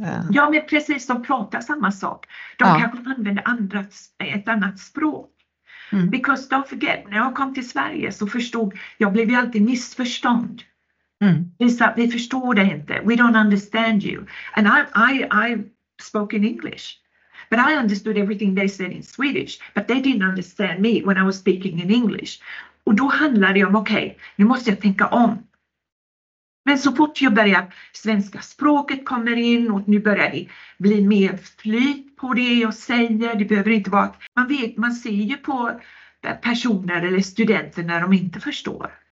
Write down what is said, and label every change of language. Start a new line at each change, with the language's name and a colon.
Swedish: Ja, men precis, de pratar samma sak. De kanske använder ett annat språk. Mm.
English: Because don't forget,
Swedish: när jag kom till Sverige så förstod jag, blev ju alltid missförstånd. Mm. Lisa, vi förstår det inte.
English: We don't understand you. And I spoke in English. But I understood everything they said in Swedish. But they didn't understand me when I was speaking in English.
Swedish: Och då handlade det om, okej, nu måste jag tänka om. Men så fort jag börjar, svenska språket kommer in och nu börjar det bli mer flyt på det jag säger. Det behöver inte vara att man ser ju på personer eller studenter när de inte förstår.